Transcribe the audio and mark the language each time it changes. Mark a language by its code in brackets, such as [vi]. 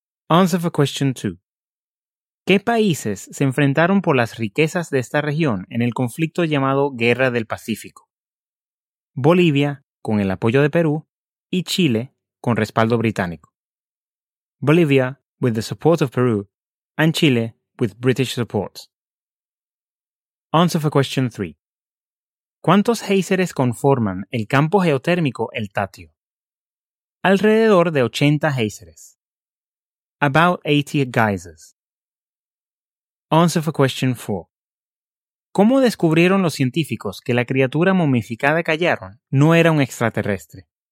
[en] Answer for question 2. [es] ¿Qué países se enfrentaron por las riquezas de esta región en el conflicto llamado Guerra del Pacífico? Bolivia, con el apoyo de Perú, y Chile, con respaldo británico. [en] Bolivia, with the support of Peru, and Chile, with British support. Answer for question 3. [es] ¿Cuántos géiseres conforman el campo geotérmico El Tatio? Alrededor de 80 géiseres. [en] About 80 geysers. Answer for question 4. [es] ¿Cómo descubrieron los científicos que la criatura momificada que hallaron no era un extraterrestre?